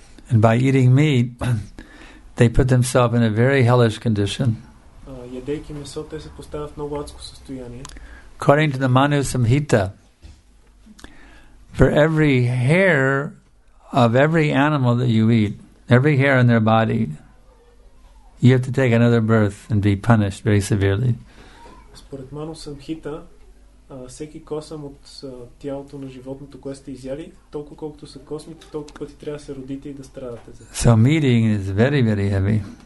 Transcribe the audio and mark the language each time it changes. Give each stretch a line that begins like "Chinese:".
English: And by eating meat, they put themselves in a very hellish condition.
Bulgarian: Ядейки месо, те се поставят в много адско състояние.
English: According to the Manu Samhita, for every hair of every animal that you eat, every hair in their body, you have to take another birth and be punished very severely.
Bulgarian: Според Manu Samhita, всеки косъм от тялото на животното, което сте изяли, толкова колкото са космите, толкова пъти трябва да се родите и да страдате.
English: So meeting is very, very heavy.